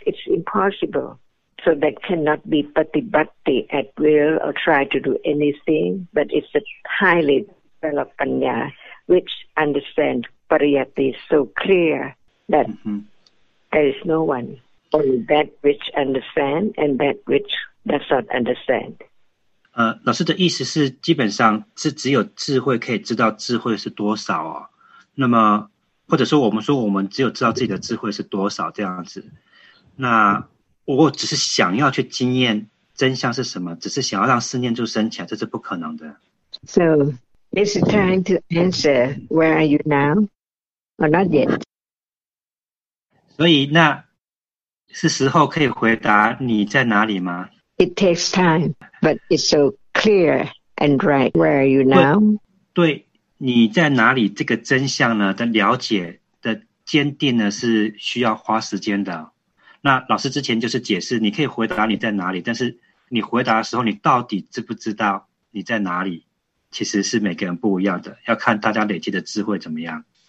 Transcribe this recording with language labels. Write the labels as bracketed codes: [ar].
[en] It's impossible. So that cannot be patibhati at will or try to do anything, but it's a highly developed panya which understands Pariyatti so clear that there is no one. Only that which understand and that which does not understand. [zh] 老师的意思是基本上是只有智慧可以知道智慧是多少哦。那么或者说我们只有知道自己的智慧是多少这样子。那我只是想要去经验真相是什么，只是想要让四念住升起来，这是不可能的。 [en] So, it's time to answer, where are you now? Or not yet? [zh] 所以那是时候可以回答你在哪里吗？ [en] It takes time, but it's so clear and right. Where are you now? [zh] 对你在哪里这个真相呢的了解的坚定呢是需要花时间的。那老师之前就是解释你可以回答你在哪里，但是你回答的时候你到底知不知道你在哪里，其实是每个人不一样的，要看大家累积的智慧怎么样。